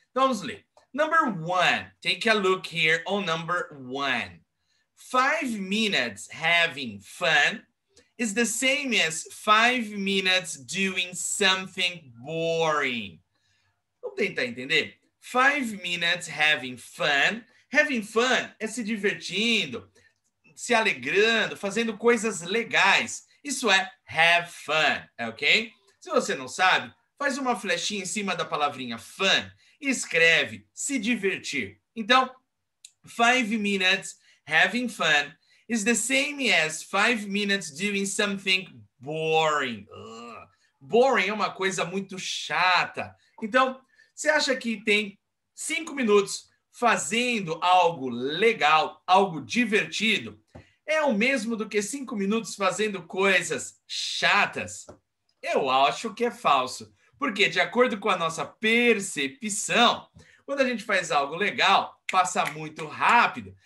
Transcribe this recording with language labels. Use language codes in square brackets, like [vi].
[pt] Então, vamos ler. [en] Number one, take a look here on number one. 5 minutes having fun is the same as 5 minutes doing something boring. [pt] Vamos tentar entender? [en] 5 minutes having fun. [pt] Having fun é se divertindo, se alegrando, fazendo coisas legais. Isso é have fun, ok? Se você não sabe, faz uma flechinha em cima da palavrinha fun e escreve se divertir. Então, [en] 5 minutes having fun is the same as 5 minutes doing something boring. [pt] Boring é uma coisa muito chata. Então, você acha que tem 5 minutos fazendo algo legal, algo divertido, é o mesmo do que 5 minutos fazendo coisas chatas? Eu acho que é falso. Porque, de acordo com a nossa percepção, quando a gente faz algo legal, passa muito rápido.